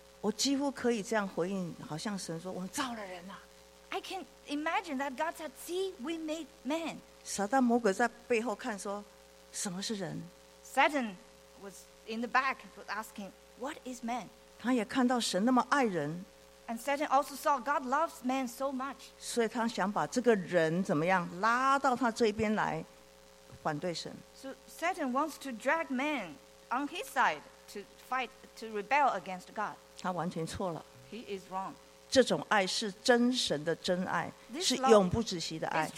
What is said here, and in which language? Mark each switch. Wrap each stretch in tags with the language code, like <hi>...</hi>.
<zh>我几乎可以这样回应，好像神说：“我们造了人呐。”</zh> <en>I can imagine that God said, "See, we made man."</en> <zh>撒旦魔鬼在背后看说：“什么是人</zh> <en>？”Satan was in the back asking, "What is man?"</en> <zh>他也看到神那么爱人。</zh> <en>And Satan also saw God loves man so much.</en> <zh>所以他想把这个人怎么样拉到他这边来反对神。</zh> <en>So Satan wants to drag man on his side to fight, to rebel against God.</en> <zh>他完全错了。</zh> <en>He is wrong.</en> <zh>这种爱是真神的真爱，是永不止息的爱。</zh>